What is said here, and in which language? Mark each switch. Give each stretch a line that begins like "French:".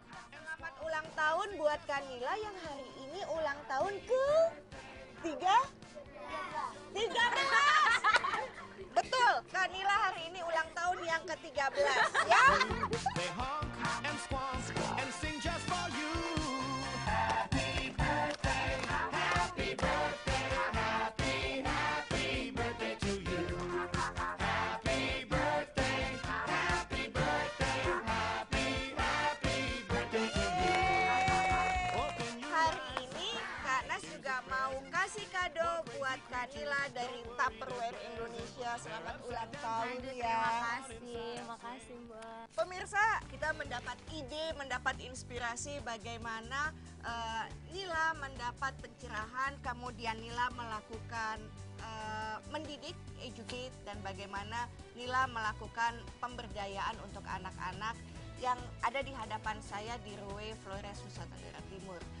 Indonesian: Selamat ulang tahun buat Kak Nila yang hari ini ulang tahun ke 13. Betul, Kak Nila hari ini ulang tahun yang ke-13 ya.
English: They honk and squawk and sing just for you. Happy birthday, happy birthday to you. Happy birthday, happy birthday to you.
Indonesian: Hari ini Kak Nas juga mau kasih kado buat Kak Nila dari Tupperware Indonesia. Selamat ulang tahun ya. Terima kasih. Makasih buat pemirsa, kita mendapat ide, mendapat inspirasi bagaimana Nila mendapat pencerahan, kemudian Nila melakukan mendidik, educate, dan bagaimana Nila melakukan pemberdayaan untuk anak-anak yang ada di hadapan saya di Rue Flores Nusa Tenggara Timur.